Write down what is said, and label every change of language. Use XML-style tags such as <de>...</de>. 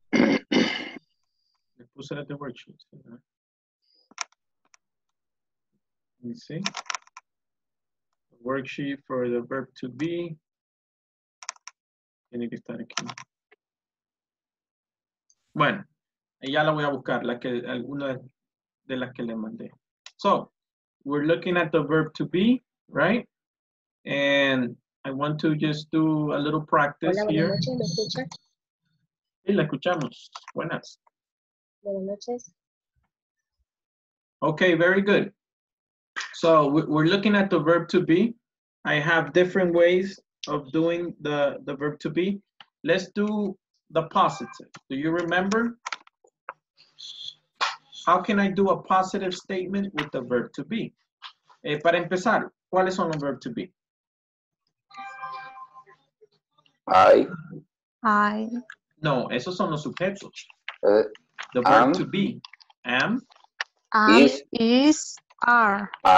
<es>le puse</es> <en>the worksheets. Let me see. Worksheet for the verb to be.</en> <es>Tiene que estar aquí. Bueno, ya la voy a buscar, la que alguna de las que le mandé.</es> <en>So, we're looking at the verb to be, right? And I want to just do a little practice</en> <es>hola,</es> <en>here.</en> <es>Hola, buenas noches, ¿me escucha? Sí, la escuchamos. Buenas. Buenas noches.</es> <en>Okay, very good. So we're looking at the verb to be. I have different ways of doing the verb to be. Let's do the positive. Do you remember? How can I do a positive statement with the verb to be?</en> <es>Para empezar, ¿cuáles son los verb to be?</es> <en>I.</en> <es>No, esos son los sujetos.</es> <en>The verb to be. Am. Is. Are.</en>